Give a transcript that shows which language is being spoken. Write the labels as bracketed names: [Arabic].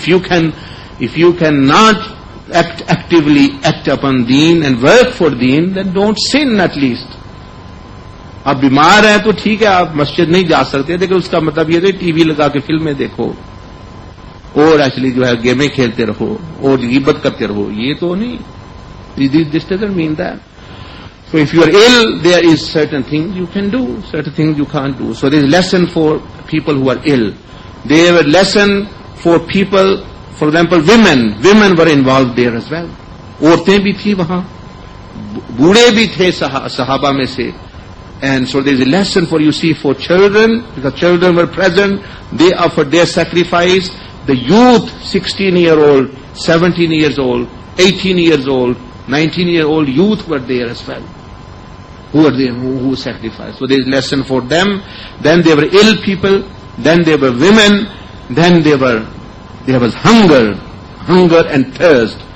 [English] If you cannot actively act upon deen and work for deen, then don't sin at least. [Hindi] आप बीमार हैं तो ठीक है, आप मस्जिद नहीं जा सकते, लेकिन उसका मतलब ये नहीं टीवी लगा के फिल्में देखो और एक्चुअली जो है गेमें खेलते रहो और गीबत करते रहो, ये तो नहीं. [English] This doesn't mean that. So if you are ill, there is certain things you can do, certain things you can't do. So there is lesson for people who are ill. There a lesson for people, for example women were involve there as well. [Hindi] औरतें भी थी वहां, बूढ़े भी थे सहाबा में से. [English] And so there is a lesson for you see for children, because children were present, they offered their sacrifice. The youth, 16-year-old, 17-year-old, 18-year-old, 19-year-old youth were there as well. Who were there? Who sacrificed? So there is a lesson for them. Then they were ill people, then they were women, then there was hunger and thirst.